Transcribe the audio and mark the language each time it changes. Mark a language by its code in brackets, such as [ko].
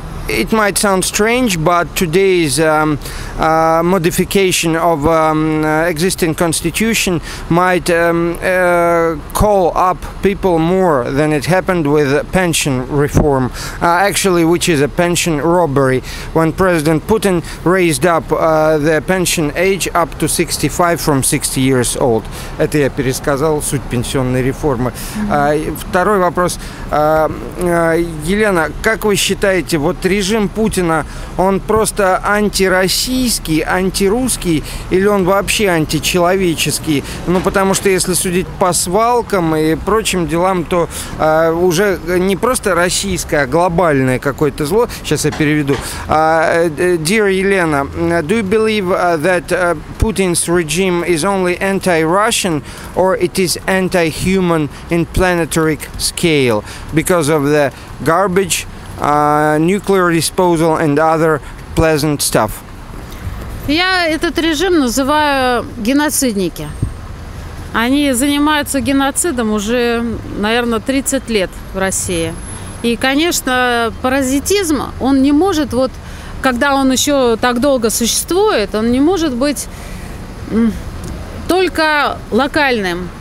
[en] It might sound strange, but today's modification of existing constitution might call up people more than it happened with pension reform, actually, which is a pension robbery. When President Putin raised up the pension age up to 65 from 60 years old. [ru] Это я пересказал суть пенсионной реформы. Второй вопрос. Елена, как вы считаете, вот режим Путина, он просто антироссийский, антирусский или он вообще античеловеческий? Ну, потому что если судить по свалкам и прочим делам, то уже не просто российское, а глобальное какое-то зло. Сейчас я переведу. [en] Dear Елена, do you believe that Putin's regime is only anti-Russian or it is anti-human in planetary scale because of the garbage, nuclear disposal and other pleasant stuff. [ru] Я этот режим называю геноцидники. Они занимаются геноцидом уже, наверное, 30 лет в России. И, конечно, паразитизм, он не может, вот, когда он еще так долго существует, он не может быть только локальным.